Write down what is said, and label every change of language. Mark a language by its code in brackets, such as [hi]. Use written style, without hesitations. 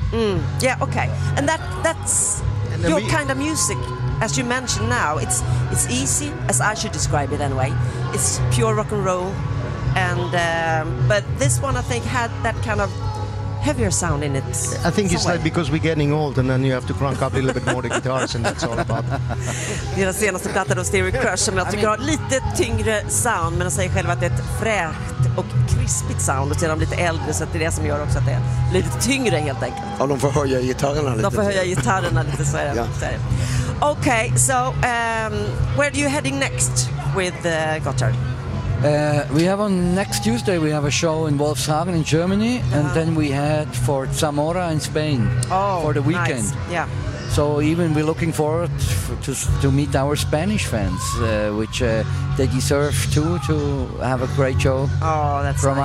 [en] And that's your kind of music, as you mentioned now. It's easy, as I should describe it anyway. It's pure rock and roll, and but this one I think had that kind of heavier sound in it. I think it's like because we're getting old, and then you have to crank up a little bit more the guitars, and that's all about. [sv] Det är senaste plattan av Stereo Crush som jag tycker har lite tyngre sound, men jag säger själv att det är ett fräckt och krispigt sound, och sedan lite äldre, så att det är det som gör också att det är lite tyngre helt enkelt. Ja, de får höja gitarrerna lite. De får höja gitarrerna lite, så är det. [en] Okay, so where are you heading next with Gotthard? We have on next Tuesday, we have a show in Wolfshagen in Germany, and then we head for Zamora in Spain for the weekend. Nice. Yeah. So even we're looking forward to meet our Spanish fans, which they deserve too, to have a great show from